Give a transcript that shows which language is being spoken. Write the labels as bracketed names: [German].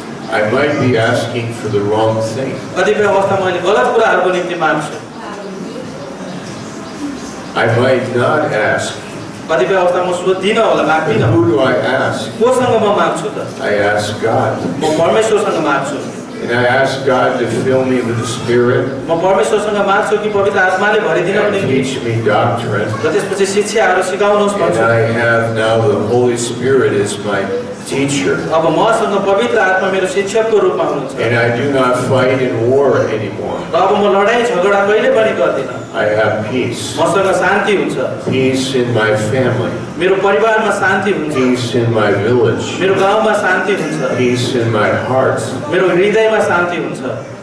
[English] I might be asking for the wrong thing. [Nepali] कतिपय अवस्थामा मैले गलत कुराहरूको निम्ति माग्छु. [English] I might not ask. [Nepali] कतिपय अवस्थामा म सोध्दिन होला, माग्दिन. [English] Who do I ask? [Nepali] कोसँग म माग्छु त? [English] I ask God. [Nepali] म परमेश्वरसँग माग्छु. [English] And I ask God to fill me with the Spirit. [Nepali] म परमेश्वरसँग माग्छु कि पवित्र आत्माले भरिदिनुहोस्. [English] Teach me doctrine. [Nepali] र त्यसपछि शिक्षाहरू सिकाउनुहोस् भन्छु. [English] I have now the Holy Spirit is my teacher. [Nepali] अब मसँग पवित्र आत्मा मेरो शिक्षकको रूपमा हुनुहुन्छ. [English] And I do not fight in war anymore. [Nepali] अब म लडाई झगडा कहिले पनि गर्दिन. [English] I have peace. [Nepali] मसँग शान्ति हुन्छ. [English] Peace in my family. [Nepali] मेरो परिवारमा शान्ति हुन्छ. [English] Peace in my village. [Nepali] मेरो गाउँमा शान्ति हुन्छ. [English] Peace in my heart. [Nepali] मेरो हृदयमा शान्ति हुन्छ.